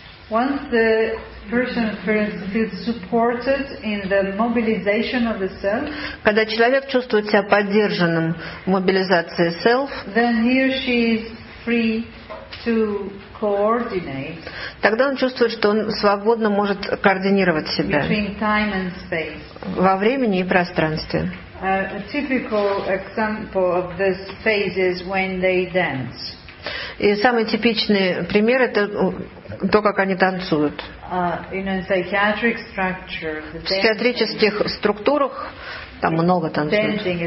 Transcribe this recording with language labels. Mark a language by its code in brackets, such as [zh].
[en] Once the person feels supported in the mobilization of the self, [ru] когда человек чувствует себя поддержанным в мобилизации self, [en] then he or she is free to coordinate. [ru] Тогда он чувствует, что он свободно может координировать себя [en] between time and space. [ru] Во времени и пространстве. [en] A typical example of this phase is when they dance. [ru] И самый типичный пример – это то, как они танцуют. В психиатрических структурах там много танцуют.